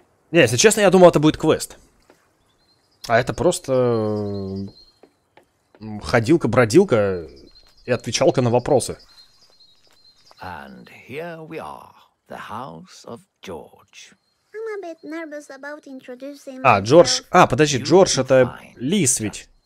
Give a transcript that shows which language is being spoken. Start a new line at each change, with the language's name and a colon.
Russian: Не, если честно, я думал, это будет квест. А это просто ходилка-бродилка и отвечалка на вопросы.
English: And here we are, the house of George. I'm a bit nervous about introducing...
Russian: А, Джордж... А, подожди, Джордж — это лис ведь.